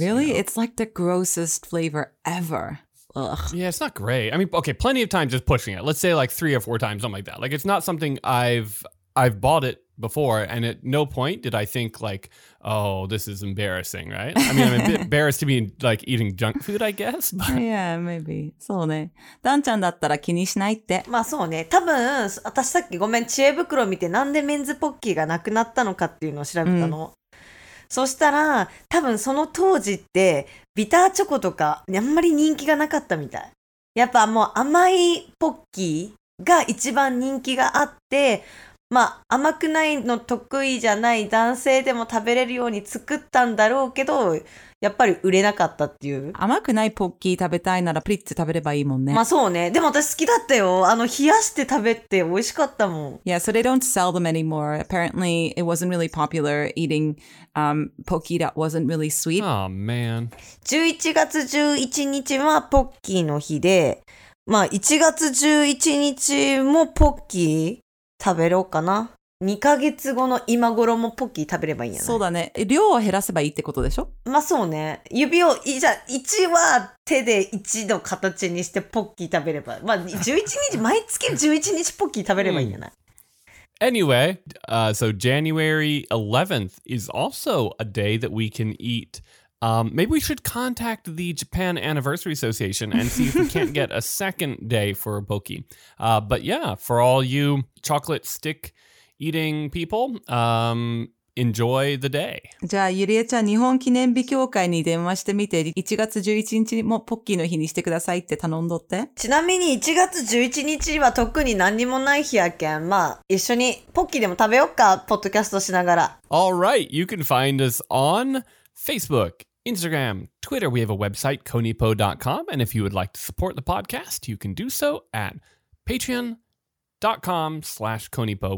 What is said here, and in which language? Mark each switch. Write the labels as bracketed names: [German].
[English] Really? You know? It's like the grossest flavor ever. Ugh. Yeah, it's not great. I mean, okay, plenty of times just pushing it. Let's say like 3 or 4 times, something like that. Like, it's not something I've bought it before, and at no point did I think like, oh, this is embarrassing, right? I mean, I'm a bit embarrassed to be like eating junk food, I guess. But... Yeah, maybe. [Japanese] そうね。ダンちゃんだったら気にしないって。まあそうね。多分、私さっきごめん、知恵袋見てなんでメンズポッキーがなくなったのかっていうのを調べたの。うん、そしたら、多分その当時ってビターチョコとかあんまり人気がなかったみたい。やっぱもう甘いポッキーが一番人気があって、まあ甘くないの得意じゃない男性でも食べれるように作ったんだろうけど、やっぱり売れなかったっていう。甘くないポッキー食べたいならプリッツ食べればいいもんね。まあそうね。でも私好きだったよ。あの冷やして食べて美味しかったもん。 [English] Yeah, so they don't sell them anymore. Apparently, it wasn't really popular eating, pocky that wasn't really sweet. Oh, man. [Japanese] 11月11日はポッキーの日で、まあ1月11日もポッキー食べろうかな。 2ヶ月後の今頃もポッキー食べればいいんやな。そうだね。量を減らせばいいってことでしょ。まあそうね。指をじゃあ1は手で1の形にしてポッキー食べれば、まあ11日毎月11日ポッキー食べればいいんやな。 [English] Anyway, so January 11th is also a day that we can eat. Maybe we should contact the Japan Anniversary Association and see if we can't get a second day for a pocky. But yeah, for all you chocolate stick eating people, enjoy the day. [Japanese] じゃあゆりえちゃん、日本記念日協会に電話してみて、1月11日もポッキーの日にしてくださいって頼んどって。ちなみに1月11日は特に何にもない日やけん、まあ一緒にポッキーでも食べよっか、ポッドキャストしながら。 [English] All right, you can find us on Facebook, Instagram, Twitter. We have a website, konipo.com, and if you would like to support the podcast, you can do so at patreon.com/konipo.